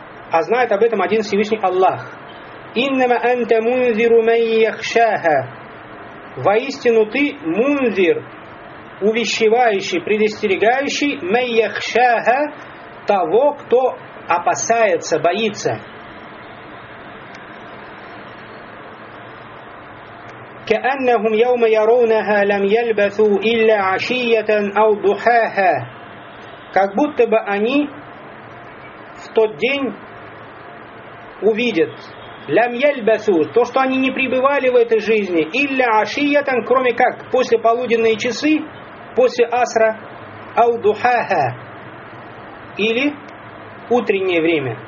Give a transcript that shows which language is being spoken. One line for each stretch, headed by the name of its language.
Russian: А знает об этом один Всевышний Аллах.
Arabic: Иннама анта мунзиру мэй яхшаха.
Russian: Воистину ты мунзир, увещевающий, предостерегающий, мэй яхшаха, того, кто опасается, боится.
Arabic: كأنهم يوم يرونها لم يلبثوا إلا عشية أو ضحاها.
Russian: Как будто бы они в тот день увидят.
Arabic: لم يلبثوا.
Russian: То, что они не пребывали в этой жизни.
Arabic: إلا عشية.
Russian: Кроме как после полуденные часы, после асра.
Arabic: أو ضحاها.
Russian: Или утреннее время.